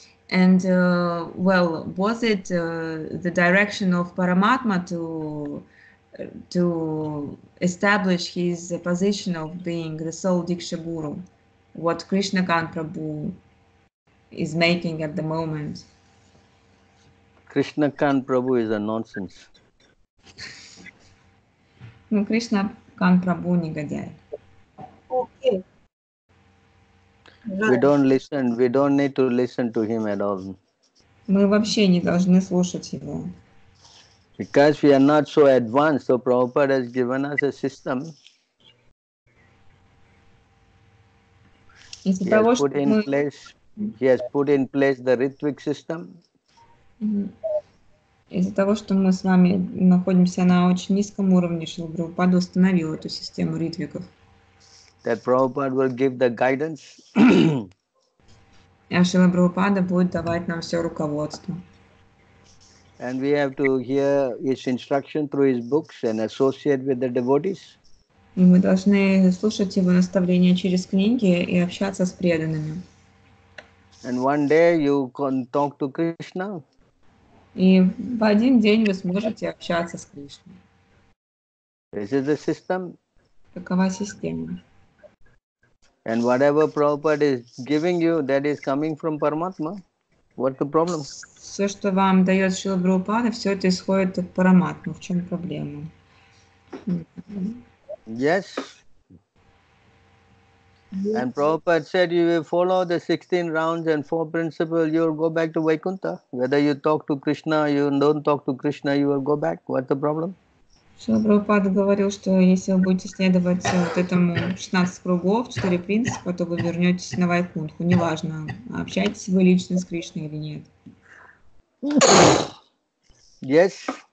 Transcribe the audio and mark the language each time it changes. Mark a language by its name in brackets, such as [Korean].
[English] And, well, was it the direction of Paramatma to establish his position of being the sole Diksha Guru, what Krishna Kant Prabhu is making at the moment? Krishna Kant Prabhu is a nonsense. [Russian] Ну, Krishna Kant Prabhu негодяй. [English] We don't need to listen to him at all. [Russian] Мы вообще не должны слушать его. [English] Because we are not so advanced, so Prabhupada has given us a system. [Russian] Из-за того, что [English] put in place, he has put in place the Ritvik system. [Russian] Из-за того, что мы с вами находимся на очень низком уровне, Шрила Прабхупада установил эту систему ритвиков. [English] That Prabhupada will give the guidance. [Russian] А Шрила Прабхупада будет давать нам все руководство. [English] And we have to hear his instruction through his books and associate with the devotees. [Russian] Мы должны слушать его наставления через книги и общаться с преданными. [English] And one day you can talk to Krishna. [Russian] И в один день вы сможете общаться с Кришной. [English] This is the system. [Russian] Какова система? [English] And whatever Prabhupada is giving you, that is coming from Paramatma. What's the problem? [Russian] Все, что вам дает Шрила Прабхупада, все это исходит от Параматмы. В чем проблема? [English] Yes. And Prabhupada said, you will follow the 16 rounds and four principles, you will go back to Vaikuntha. Whether you talk to Krishna, you don't talk to Krishna, you will go back. What's the problem? [Russian] Шрила Прабхупада говорил, что если вы будете следовать вот этому 16 кругов, 4 принципа, то вы вернетесь на Вайкунтху. Неважно, общаетесь вы лично с Кришной или нет. [English] Yes?